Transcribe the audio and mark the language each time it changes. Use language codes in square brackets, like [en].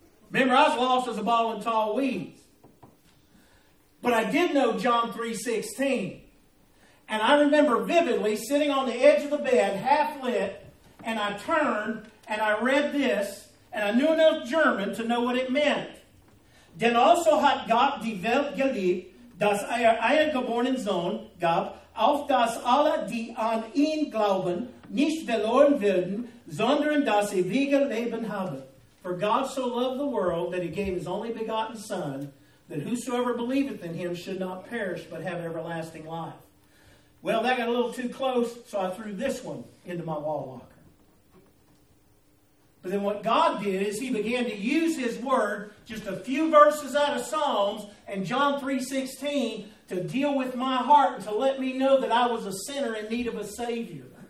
[en] Remember, I was lost as a ball in tall weeds. But I did know John 3:16. And I remember vividly sitting on the edge of the bed, half lit, and I turned and I read this, and I knew enough German to know what it meant. [de] Denn also hat Gott die Welt geliebt, dass eingeborenen Sohn gab, auf dass alle, die an ihn glauben, nicht verloren werden, sondern das ewige Leben haben. [en] For God so loved the world that he gave his only begotten Son, that whosoever believeth in him should not perish, but have everlasting life. Well, that got a little too close, so I threw this one into my wall locker. But then what God did is he began to use his word, just a few verses out of Psalms and John 3:16, to deal with my heart and to let me know that I was a sinner in need of a Savior.